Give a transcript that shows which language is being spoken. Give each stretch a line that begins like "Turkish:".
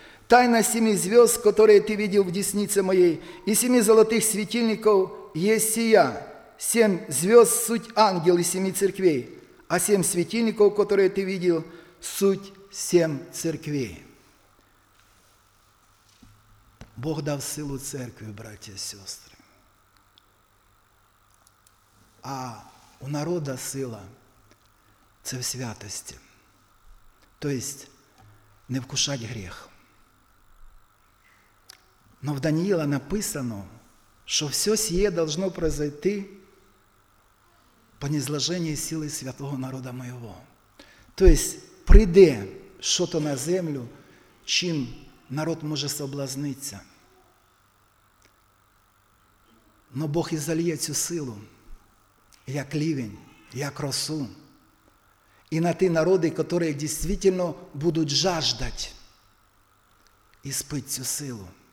Russian: Тайна 7 звезд, которые ты видел в деснице моей, и 7 золотых светильников есть сия. 7 звезд – суть ангел и 7 церквей, а 7 светильников, которые ты видел, суть 7 церквей».
Ukrainian: Бог дав силу церкви,
Russian: братья и сестры. А у народа сила –
Ukrainian: це в святості.
Russian: То есть не вкушать грех. Но в Даниила написано, що все сие должно произойти по низложению силы святого народа моего. То есть
Ukrainian: прийде
Russian: что-то на землю, чим
Ukrainian: народ може
Russian: соблазнитися.
Ukrainian: Но Бог і зальє цю силу, як ливень, як росу. І на ті народи, які дійсно будуть жаждати і спити цю силу.